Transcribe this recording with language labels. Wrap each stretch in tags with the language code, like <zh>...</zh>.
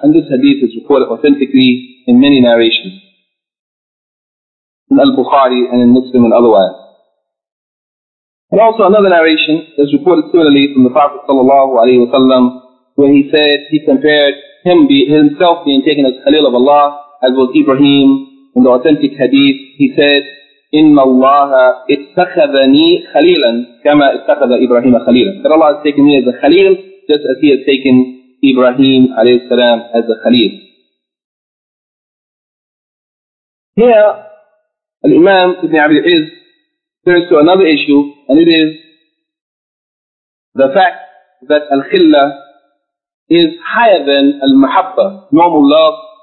<en>And this hadith is reported authentically in many narrations, in Al-Bukhari and in Muslim and otherwise. And also another narration is reported similarly from the Prophet sallallahu alayhi wa sallam, where he said he compared himself being taken as Khalil of Allah, as was Ibrahim in the authentic hadith. He said,</en> <ar>إِنَّ اللَّهَ اتَّخَذَنِي خَلِيلًا كَمَا اتَّخَذَ إِبْرَاهِيمَ خَلِيلًا.</ar> <en>That Allah has taken me as a Khalil, just as he has taken Ibrahim alayhi salam as a Khalil. Here, Al-Imam Ibn Abi Al-Izz turns to another issue, and it is the fact that Al-Khilla is higher than Al-Mahabba, normal love.</en>